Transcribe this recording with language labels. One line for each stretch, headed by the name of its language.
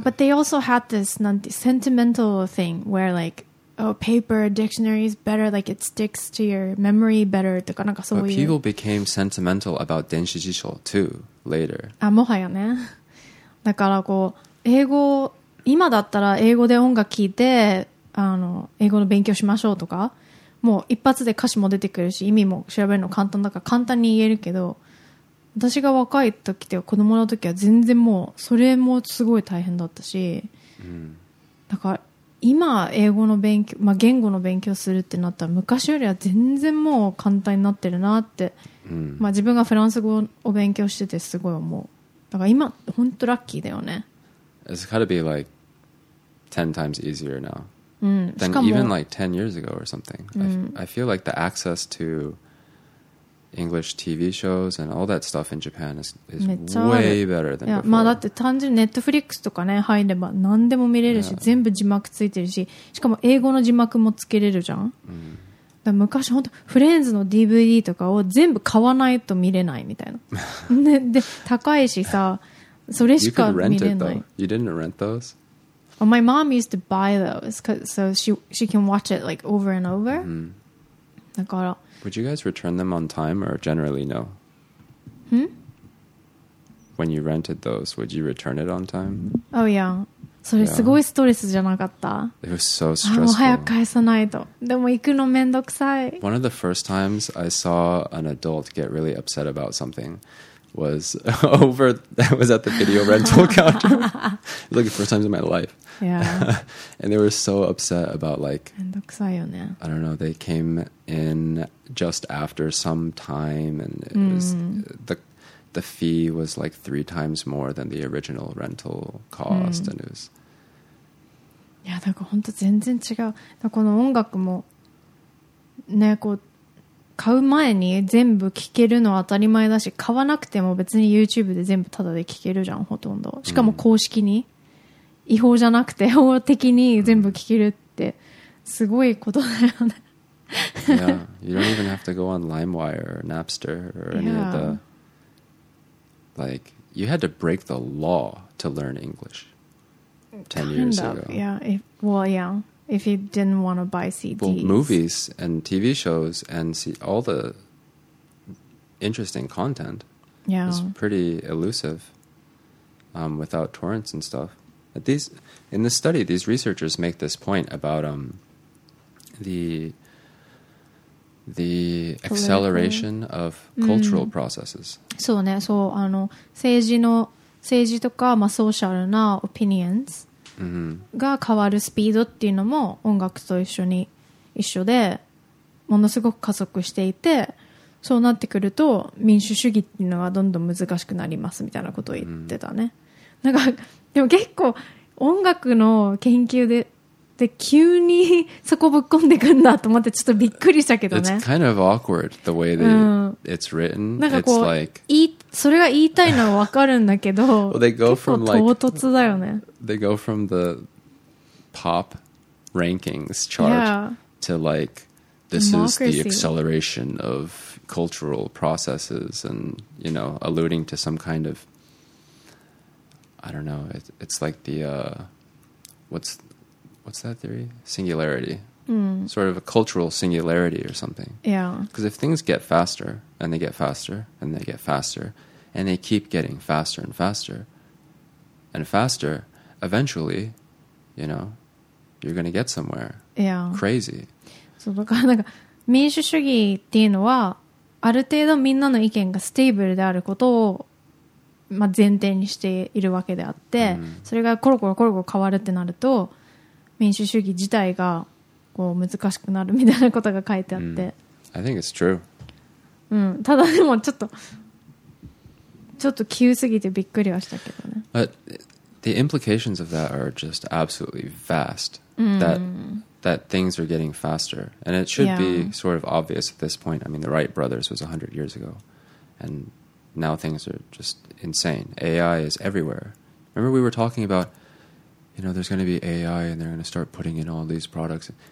English: Yeah, but they also had this sentimental thing where like, oh, paper dictionary is better, like it sticks to your memory better.
Japanese: とかなんかそういう。
English: But people became sentimental about 電子辞書 too later.
Japanese: あ、もはやね。だからこう英語、今だったら英語で音楽聞いて英語の勉強しましょうとか、もう一発で歌詞も出てくるし意味も調べるの簡単だから簡単に言えるけど。私が若い時って子供の時は全然もうそれもすごい大変だったし、だから今英語の勉強、まあ、言語の勉強するってなったら昔よりは全然もう簡単になってるなって、まあ、自分がフランス語を勉強しててすごい思う。だから今本当ラッキーだよね。
English: It's gotta be like 10 times easier now、
Japanese: しかも
English: than even like 10 years ago or something、I feel like the access toEnglish TV shows and all that stuff in Japan is way better than before.
Japanese: まあだって単純に Netflix とかね入れば何でも見れるし、全部字幕ついてるし、しかも英語の字幕もつけれるじゃん。だから昔本当フレンズの DVD とかを全部買わないと見れないみたいな。で高いしさ、それしか見れない。
English: You didn't rent those? My mom used to buy those cause, so she can watch it like over and over. だから。 Would you guys return them on time or generally no? When you rented those, would you return it on time? Oh yeah.
Japanese: それすごいストレスじゃなかった
English: ？ It was so stressful.
Japanese: もう早く返さないと。でも行くのめんどくさい。
English: One of the first times I saw an adult get really upset about something was over, that was at the video rental counter. It was like the first time in my life. Yeah. And they were so upset about like,
Japanese: めんどくさいよね。
English: I don't know, they came in just after some time and it was, the fee was like 3 times more than the original rental cost. And it was,
Japanese: いやだから本当全然違う。だこの音楽もね、こう買う前に全部聴けるのは当たり前だし、買わなくても別に YouTube で全部タダで聴けるじゃん、ほとんど。しかも公式に、違法じゃなくて法的に全部聴けるってすごいことだよね。
English: Yeah, you don't even have to go on LimeWire or Napster or any of the... Like, you had to break the law to learn English 10 years ago. If you didn't want to buy CDs. Well, movies and TV shows and all the interesting content is pretty elusive. without torrents and stuff. But these, in this study, these researchers make this point about the acceleration of cultural processes.
Japanese: そうね、そう、あの、政治の、政治とか、まあ、ソーシャルな opinions が変わるスピードっていうのも音楽と一緒に一緒でものすごく加速していて、そうなってくると民主主義っていうのがどんどん難しくなりますみたいなことを言ってたね。なんかでも結構音楽の研究で急にそこぶっこんでくんだと思ってちょっとびっくりしたけどね。
English: It's kind of awkward the way that it's written.
Japanese: なんかこう、それが言いたいのは分かるんだけど、結構唐突だよね。
English: They go from the pop rankings chart to like this is the acceleration of cultural processes and you know alluding to some kind of I don't know, it's like the what's that theory? Singularity. Sort of a cultural singularity or something. Yeah. Because if things get faster and they get faster and they get faster and they keep getting faster and faster and faster, eventually, you know, you're going to get somewhere. Yeah. Crazy.
Japanese: そう、だからなんか民主主義っていうのはある程度みんなの意見がステーブルであることをまあ前提にしているわけであって、それがコロコロコロコロ変わるってなると民主主義自体がこう難しくなるみたいなことが書いてあって、
English: I think it's true.
Japanese: ただでもちょっと急すぎてびっくりはしたけどね。
English: But the implications of that are just absolutely vast. That things are getting faster, and it should be sort of obvious at this point. I mean, the Wright brothers was 100 years ago, and now things are just insane. AI is everywhere. Remember we were talking about, you know, there's going to be AI and they're going to start putting in all these products.